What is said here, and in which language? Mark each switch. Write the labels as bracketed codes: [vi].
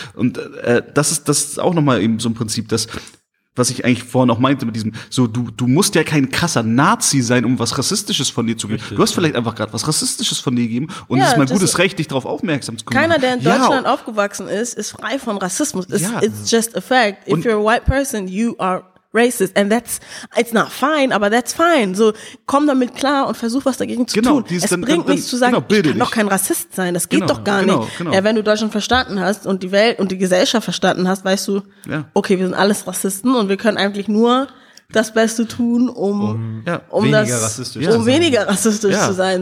[de] Und das ist auch nochmal eben so ein Prinzip, das, was ich eigentlich vorhin auch meinte mit diesem, so du musst ja kein krasser Nazi sein, um was Rassistisches von dir zu geben. Richtig, du hast vielleicht einfach gerade was Rassistisches von dir gegeben und es ist mein gutes Recht, dich darauf aufmerksam zu machen. Keiner, der in Deutschland aufgewachsen ist, ist frei von Rassismus. [en] It's just a fact. If you're a white person, you are racist. And it's not fine, [de] aber [en] that's fine. [de] So, komm damit klar und versuch was dagegen zu tun. Es bringt nichts zu sagen, ich kann doch kein Rassist sein. Das geht doch gar nicht. Genau. Ja, wenn du Deutschland verstanden hast und die Welt und die Gesellschaft verstanden hast, weißt du, okay, wir sind alles Rassisten und wir können eigentlich nur das Beste tun, um weniger rassistisch zu sein.